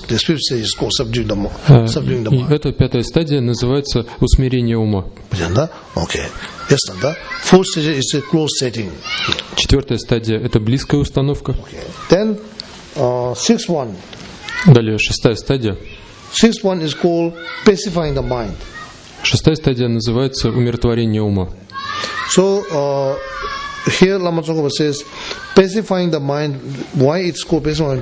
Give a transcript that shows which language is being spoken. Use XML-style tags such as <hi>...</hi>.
<en>This fifth stage is called subduing the mind.</en> <ru>И эта пятая стадия называется усмирение ума. Да? Окей.</ru> <en>Yes,</en> <ru>да?</ru> <en>Fourth stage is a close setting.</en> <ru>Четвертая стадия – это близкая установка.</ru> <en>Okay. Then, sixth one.</en> <ru>Далее, шестая стадия.</ru> <en>Sixth one is called pacifying the mind.</en> <ru>Шестая стадия называется умиротворение ума.</ru> <en>So, here Lama Tsongkhapa says, pacifying the mind, why it's called pacifying the mind?</en>